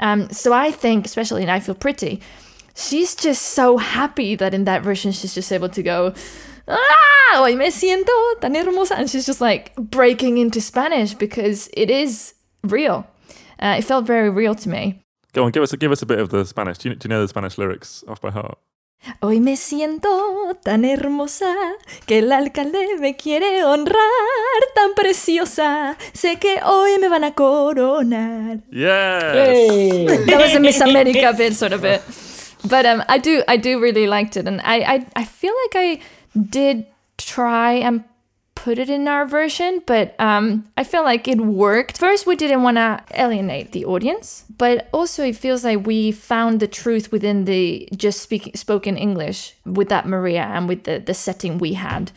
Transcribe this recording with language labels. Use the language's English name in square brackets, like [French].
[English] So I think, especially in I Feel Pretty, she's just so happy that in that version, she's just able to go, ah, [Spanish] hoy me siento tan hermosa. [English] And she's just like breaking into Spanish because it is real. It felt very real to me. Go on, give us a bit of the Spanish. Do you know the Spanish lyrics off by heart? [Spanish] Hoy me siento tan hermosa que el alcalde me quiere honrar tan preciosa. Sé que hoy me van a coronar. [English] Yes! Hey. That was a Miss America bit, sort of bit. But I do really liked it, and I feel like I did try and put it in our version, but I feel like it worked. First, we didn't want to alienate the audience, but also it feels like we found the truth within the just spoken English with that Maria and with the setting we had.